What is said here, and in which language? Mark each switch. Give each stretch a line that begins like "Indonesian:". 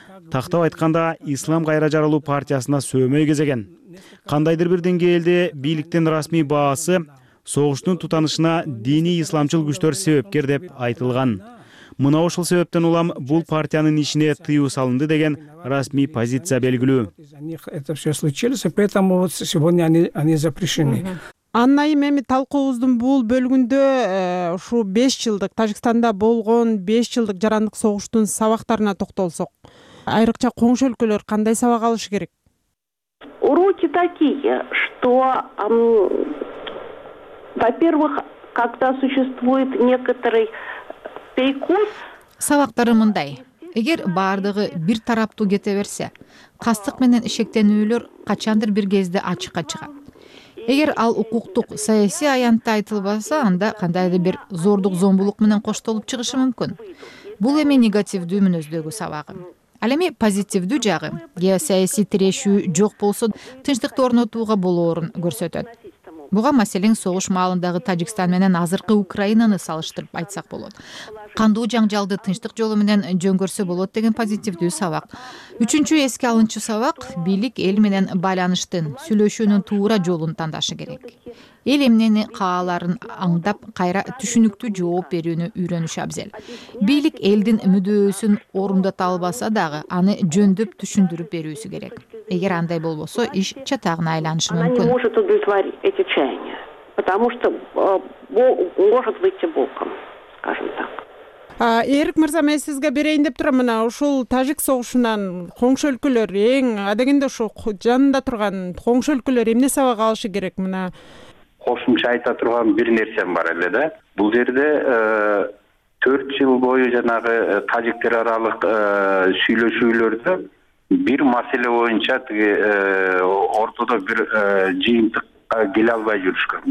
Kyrgyz: Тактап айтканда, Ислам кайра жаралуу партиясына сөөмөй кезеген. Кандайдыр бир деңгээлде бийликтин расмий баасы согуштун тутанышына диний исламчыл күчтөр себепкер деп айтылган. Мына ошол себептен улам бул партиянын ишине тыюу салынды деген расмий позиция белгилүү.
Russian: Это все случилось, поэтому вот сегодня они запрещены.
Kyrgyz: Анна, эми талкуубуздун бул бөлүгүндө ушу 5 жылдык Тажикстанда болгон 5 жылдык жарандык согуштун сабактарына токтолсок, айрыкча коңшу өлкөлөр кандай сабак алышы керек?
Russian: Уроки такие, что во-первых, когда существует некоторый перекос.
Kyrgyz: Сабактары мындай. Эгер баардыгы бир тараптуу кете берсе, кастык менен ишектенүүлөр качандыр бир кезде ачыкка чыгат. Эгер ал укуктук саясий аянтта айтылбаса, анда кандайдыр бир зордук зомбулук менен коштолуп чыгышы мүмкүн. Бул эми негативдүү мүнөздөгү сабагы. Ал эми позитивдүү жагы, геосаясий тирешүү жок болсо, тынчтыкты орнотууга болоорун көрсөтөт. Буга маселен согуш маалындагы Тажикстан менен азыркы Украинаны салыштырып айтсак болот. Кандуу жаңжалды тынчтык жолу менен жөнгөрсө болот деген позитивдүү сабак. Үчүнчү эске алынчу сабак бийлик эл менен байланыштын, сүйлөшүүнүн туура жолун тандашы керек. Эл эмнени кааларын аңдап, кайра түшүнүктүү жооп берүүнү үйрөнүш абзел. Бийлик элдин мүдөөсүн орундата албаса дагы, аны жөндөп түшүндүрүп берүүсү керек. Эгер андай болбосо, иш чатагына айланышы мүмкүн.
Russian: Она не может удовлетворить эти чаяния, потому что может выйти боком, скажем так.
Kyrgyz: Эрик мырза, мен сизге берейин деп турам, мына ушул тажик согушунан коңшу өлкөлөр, эң адегенде ушу жанында турган коңшу өлкөлөр эмне сабак алышы керек? Мына кошумча айта турган бир нерсем бар эле да. Бул жерде 4 жыл бою жанагы тажиктер аралык сүйлөшүүлөрдө бир маселе боюнча тиги ортодо бир жыйынтыкка келе албай жүрүшкөн.